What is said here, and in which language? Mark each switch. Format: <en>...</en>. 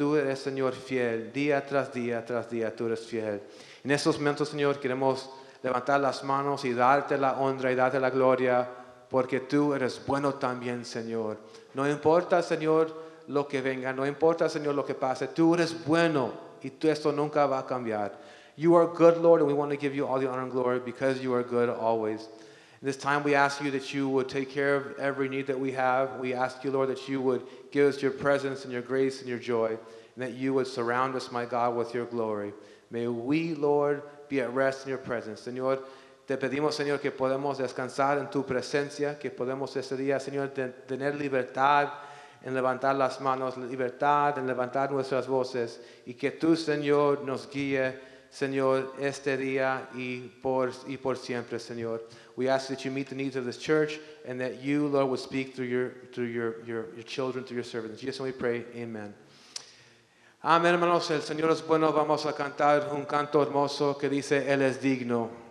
<es>Tú eres, Señor, fiel, día tras día, tú eres fiel. En estos momentos, Señor, queremos levantar las manos y darte la honra y darte la gloria, porque tú eres bueno también, Señor. No importa, Señor, lo que venga, no importa, Señor, lo que pase, tú eres bueno y tú esto nunca va a cambiar.</es> <en>You are good, Lord, and we want to give you all the honor and glory because you are good always. This time we ask you that you would take care of every need that we have. We ask you, Lord, that you would give us your presence and your grace and your joy, and that you would surround us, my God, with your glory. May we, Lord, be at rest in your presence.</en> <es>Señor, te pedimos, Señor, que podamos descansar en tu presencia, que podamos este día, Señor, tener libertad en levantar las manos, libertad en levantar nuestras voces, y que tú, Señor, nos guíe, Señor, este día y por siempre, Señor.</es> <en>We ask that you meet the needs of this church and that you, Lord, would speak through your children, through your servants. Jesus, we pray. Amen.</en> <es>Amén, hermanos. El Señor es bueno. Vamos a cantar un canto hermoso que dice, Él es digno.</es>